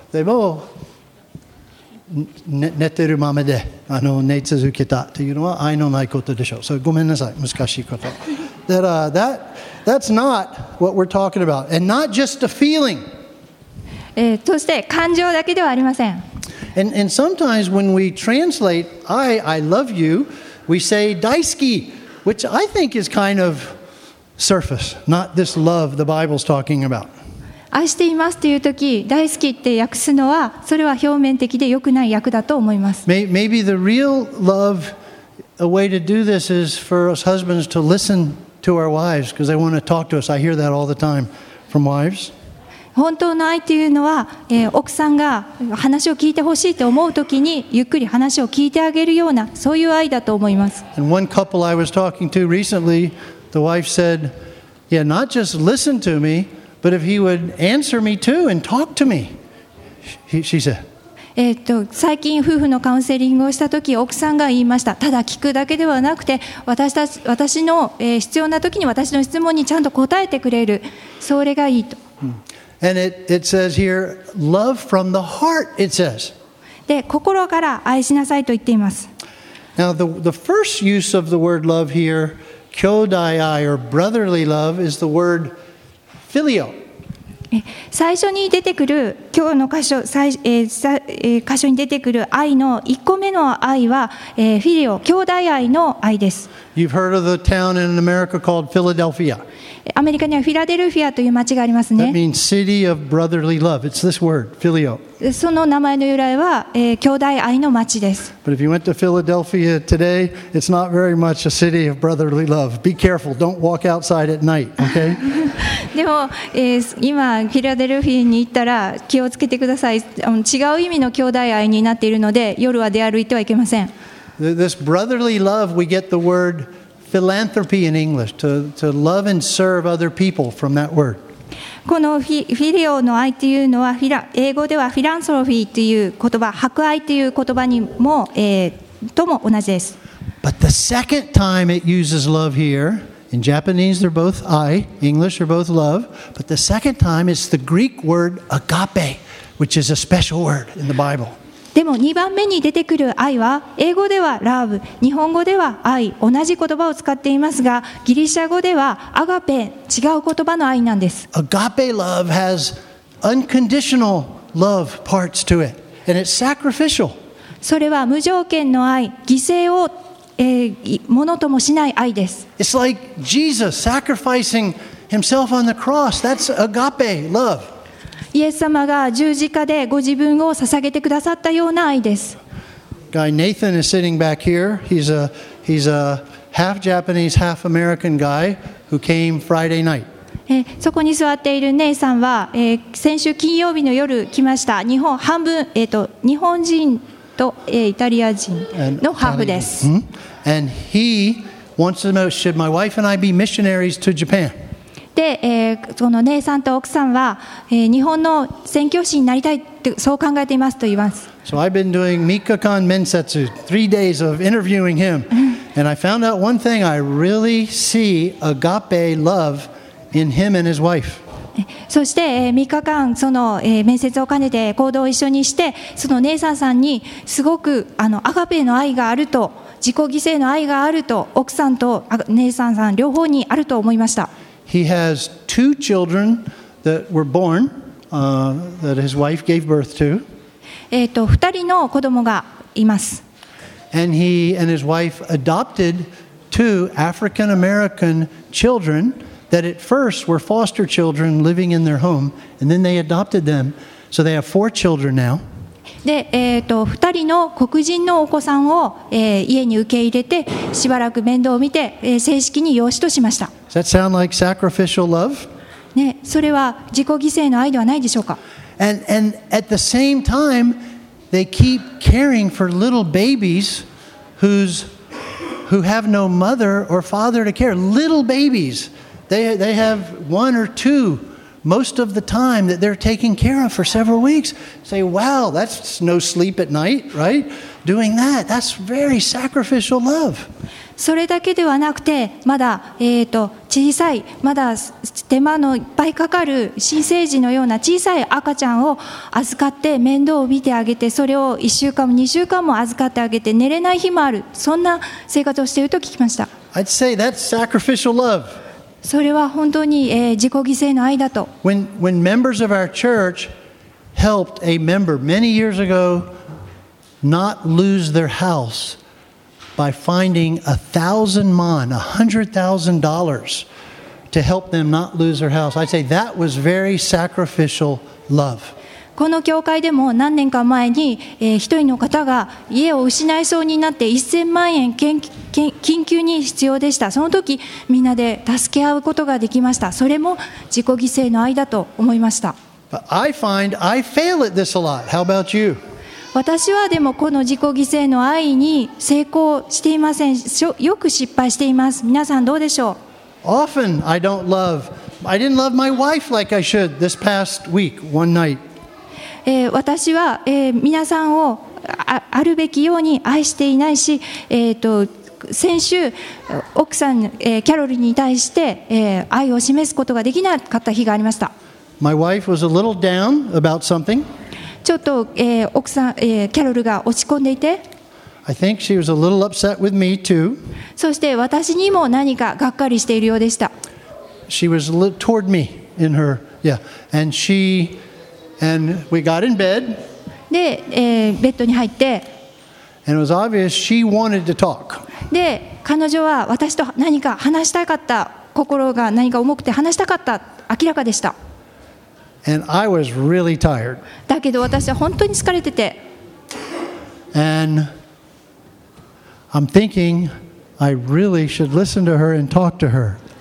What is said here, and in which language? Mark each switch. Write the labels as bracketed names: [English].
[Japanese] でも、寝てるままで寝続けたというのは愛のないことでしょう。それごめんなさい、難しいこと。 [English] That's not what we're talking about. And not just a feeling. [Japanese] そして感情だけではありません。 [English] And sometimes when we translate I love you, we say 大好き, which I think is kind ofSurface, not this love the Bible's talking about. [Japanese] 愛していますというとき、大好きって訳すのは、それは表面的で良くない訳だと思います。 [English] Maybe the real love, a way to do this is for us husbands to listen to our wives because they want to talk to us. I hear that all the time from wives. [Japanese] 本当の愛というのは、奥さんが話を聞いてほしいと思うときに、ゆっくり話を聞いてあげるような、そういう愛だと思います。 [English] And one couple I was talking to recently,The wife said, "Yeah, not just listen to me, but if he would answer me too and talk to me," she said. [Japanese] 最近夫婦のカウンセリングをした時、奥さんが言いました。ただ聞くだけではなくて、私の、必要な時に私の質問にちゃんと答えてくれる。それがいいと。 [English] And it says here, "Love from the heart." It says. [Japanese] で、心から愛しなさいと言っています。 [English] Now the first use of the word love here. 兄弟愛 or brotherly love is the word filio. [Japanese] 最初に出てくる今日の箇所、箇所に出てくる愛の1個目の愛は、フィリオ、兄弟愛の愛です。 [English] You've heard of the town in America called Philadelphia. [Japanese] アメリカにはフィラデルフィアという町がありますね。 [English] That means city of brotherly love. It's this word, filio. [Japanese] その名前の由来は、兄弟愛の町です。 [English] But if you went to Philadelphia today, it's not very much a city of brotherly love. Be careful. Don't walk outside at night. Okay? [Japanese] でも、今フィラデルフィアに行ったら気をつけてください。違う意味の兄弟愛になっているので、夜は出歩いてはいけません。 [English] This brotherly love, we get the word philanthropy in English, to love and serve other people from that word. [Japanese] このフィリオの愛というのは英語ではフィランソロフィーという言葉、博愛という言葉にも、とも同じです。 [English] But the second time it uses love here, in Japanese they're both I, English they're both love, but the second time it's the Greek word agape, which is a special word in the Bible. [Japanese] でも2番目に出てくる愛は英語ではラブ、日本語では愛、同じ言葉を使っていますが、ギリシャ語ではアガペ、違う言葉の愛なんです。 [English] アガペ love has unconditional love parts to it, and it's sacrificial. [Japanese] それは無条件の愛、犠牲を、ものともしない愛です。 [English] It's like Jesus sacrificing himself on the cross. That's agape love. [Japanese] イエス様が十字架でご自分を捧げてくださったような愛です。 [English] Guy Nathan is sitting back here. He's a half Japanese, half American guy who came Friday night. [Japanese] そこに座っている姉さんは、先週金曜日の夜来ました。日本半分、日本人と、イタリア人のハーフです。 [English] And he wants to know, should my wife and I be missionaries to Japan? [Japanese] で、その姉さんと奥さんは、日本の宣教師になりたいってそう考えていますと言います。 [English] So I've been doing [Japanese] 3日間面接、 [English] 3 days of interviewing him, and I found out one thing: I really see agape love in him and his wife. [Japanese] そして、3日間その、面接を兼ねて行動を一緒にして、その姉さんさんにすごくアガペの愛があると、自己犠牲の愛があると、奥さんと姉さんさん両方にあると思いました。 [English] He has two children that were born, that his wife gave birth to. [Japanese] 2人の子供がいます。 [English] And he and his wife adopted two African American children that at first were foster children living in their home, and then they adopted them. So they have four children now. [Japanese] で、2人の黒人のお子さんを、家に受け入れてしばらく面倒を見て、正式に養子としました。 [English] Does that sound like sacrificial love? [Japanese] ね、それは自己犠牲の愛ではないでしょうか。 [English] And at the same time, they keep caring for little babies who have no mother or father to care. Little babies, they have one or two. Most of the time that they're taking care of for several weeks, say, wow, that's no sleep at night, right? Doing that, that's very sacrificial love. [Japanese] それだけではなくて、まだ小さい、まだ手間のいっぱいかかる新生児のような小さい赤ちゃんを預かって面倒を見てあげて、それを1週間も2週間も預かってあげて寝れない日もある、そんな生活をしていると聞きました。 [English] I'd say that's sacrificial love. [Japanese] それは本当に、自己犠牲の愛だと。 [English] When members of our church helped a member many years ago not lose their house by finding $100,000 to help them not lose their house, I'd say that was very sacrificial love. [Japanese] この教会でも何年か前に、一人の方が家を失いそうになって1000万円緊急に必要でした。その時みんなで助け合うことができました。それも自己犠牲の愛だと思いました。 [English] But I find I fail at this a lot. How about you? [Japanese] 私はでもこの自己犠牲の愛に成功していません。よく失敗しています。皆さんどうでしょう。 [English] Often I didn't love my wife like I should this past week, one night. [Japanese] 私は、皆さんを あるべきように愛していないし、先週奥さん、キャロリーに対して、愛を示すことができなかった日がありました。 [English] My wife was a little down about something. [Japanese] ちょっと、奥さん、キャロルが落ち込んでいて [English] I think she was a little upset with me too. [Japanese] そして私にも何かがっかりしているようでした。 [English] She was a little toward me in her, yeah. And she, and we got in bed. [Japanese] で、ベッドに入って。 [English] And it was obvious she wanted to talk. [Japanese] で、彼女は私と何か話したかった。心が何か重くて話したかった。明らかでした。 [English] And I was really tired. [Japanese] だけど私は本当に疲れてて。 [English] And I'm thinking I really should listen to her and talk to her.